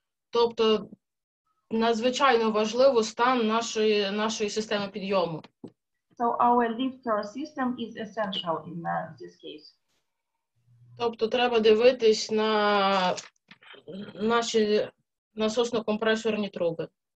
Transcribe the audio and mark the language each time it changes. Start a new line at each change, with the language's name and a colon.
Ukrainian: Тобто надзвичайно важливо стан нашої системи підйому.
English: So our lift system is essential in this case.
Ukrainian: Тобто треба дивитись на наші насосно-компресорні труби.